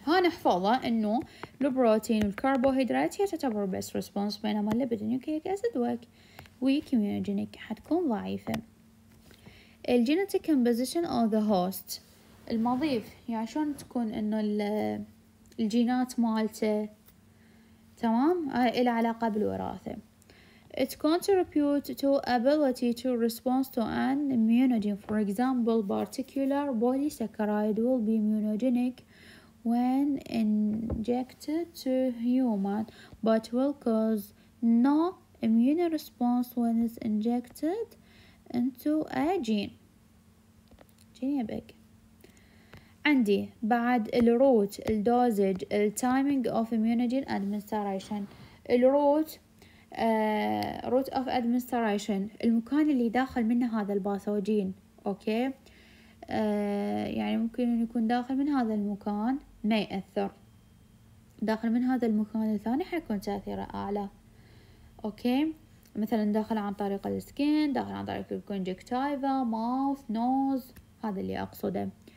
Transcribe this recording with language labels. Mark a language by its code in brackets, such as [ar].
[ar] ها نحفظه انه البروتين والكربوهيدرات هي تعتبر بس ريسبونس، بينما الليبيد نيوكليك اسيد ويك اميونوجينيك حتكون ضعيفه. الجينيتيك كومبوزيشن اوف ذا هوست، المضيف، يعني شلون تكون انه الجينات مالته، تمام، الى علاقه بالوراثه. [en] It contributes to ability to respond to an immunogen. For example, particular polysaccharide will be immunogenic when injected to human, but will cause no immune response when it's injected into a gene. [ar] عندي بعد الروت، الدوزج، التايمينج اوف immunogen administration. الروت [en] root of administration، [ar] المكان اللي داخل منه هذا الباثوجين، اوكي، يعني ممكن يكون داخل من هذا المكان ما يأثر، داخل من هذا المكان الثاني حيكون تأثيره أعلى، اوكي، مثلا داخل عن طريق السكين، داخل عن طريق الكونجكتايفا، ماوث، نوز، هذا اللي أقصده.